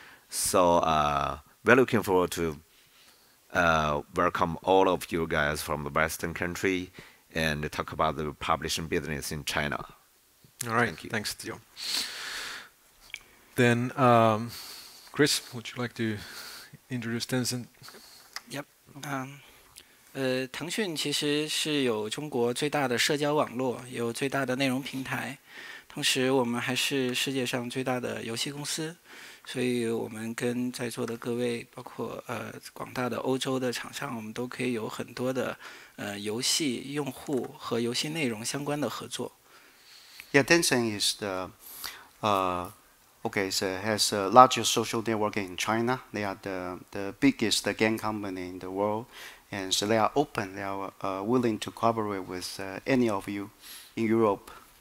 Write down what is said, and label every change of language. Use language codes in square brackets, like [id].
[en] So we're looking forward to welcome all of you guys from the Western country and talk about the publishing business in China. All right. Thank you. Thanks, Theo. Then, Chris, would you like to introduce Tencent? Yep. [zh] 腾讯其实是有中国最大的社交网络，有最大的内容平台，同时我们还是世界上最大的游戏公司，所以我们跟在座的各位，包括广大的欧洲的厂商，我们都可以有很多的游戏用户和游戏内容相关的合作。 [en] Yeah, Tencent is the, okay, so has the largest social networking in China. They are the biggest game company in the world. And so they are open, they are willing to cooperate with any of you in Europe.